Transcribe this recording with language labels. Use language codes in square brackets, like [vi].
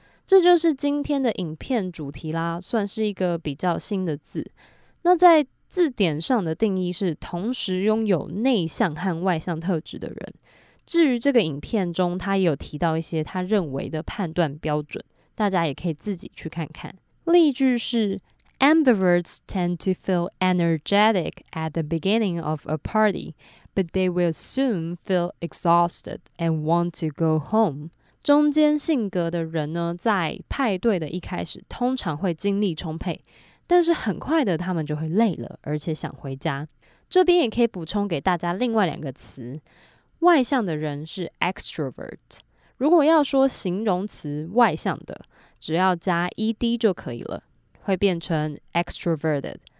[zh] 这就是今天的影片主题啦，算是一个比较新的字。那在字典上的定义是同时拥有内向和外向特质的人。至于这个影片中，他也有提到一些他认为的判断标准，大家也可以自己去看看。例句是 [en] Ambiverts tend to feel energetic at the beginning of a party, but they will soon feel exhausted and want to go home. [zh] 中间性格的人呢，在派对的一开始通常会精力充沛，但是很快的他们就会累了，而且想回家。这边也可以补充给大家另外两个词，外向的人是 extrovert， 如果要说形容词外向的，只要加 ed 就可以了，会变成 extroverted。